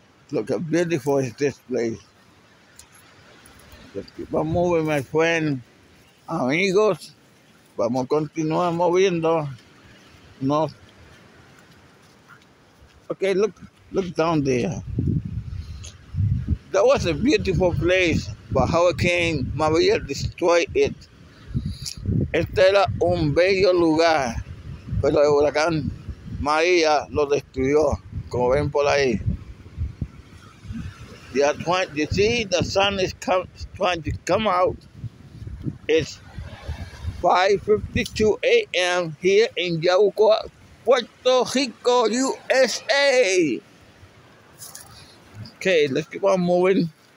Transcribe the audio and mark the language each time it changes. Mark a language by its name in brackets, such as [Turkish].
[English] Look how beautiful is this place. Let's keep on moving, my friend. Amigos. [Spanish] Vamos a continuar moviendo. No. [English] Okay, look down there. That was a beautiful place, but Hurricane Maria destroyed it. [Spanish] Este era un bello lugar, pero el huracán María lo destruyó, como ven por ahí. [English] You see, the sun is trying to come out. It's 5:52 a.m. here in Yabucoa, Puerto Rico, USA. Okay, let's keep on moving.